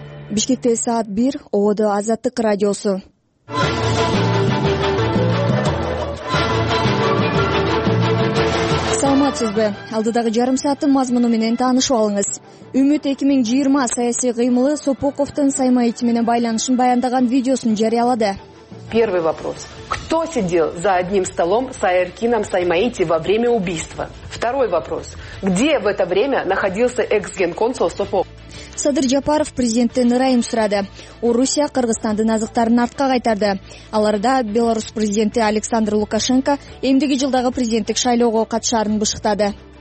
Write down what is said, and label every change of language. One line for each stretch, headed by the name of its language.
Kyrgyz: Бішкекте саат 1, ООД Азаттық радиосы. Саламатсыз бе? Алдыдағы жарым сааттын мазмұны менен таанышып алыңыз. Үмүт 2020 саясий кыймылы Сопоковтун саймай этимине байланышын баяндаган видеосун жарыялады.
Russian: Первый вопрос. Кто сидел за одним столом с Айркином Саймаити во время убийства? Второй вопрос. Где в это время находился экс-генконсул Сопоков?
Kyrgyz: Садыр Жапаров президенттен ырайым сурады. О Русия Кыргызстандын азыктарын артка кайтарды. Аларда Беларусь президенти Александр Лукашенко эмдиги жылдагы президенттик шайлоого катышарын бышыктады.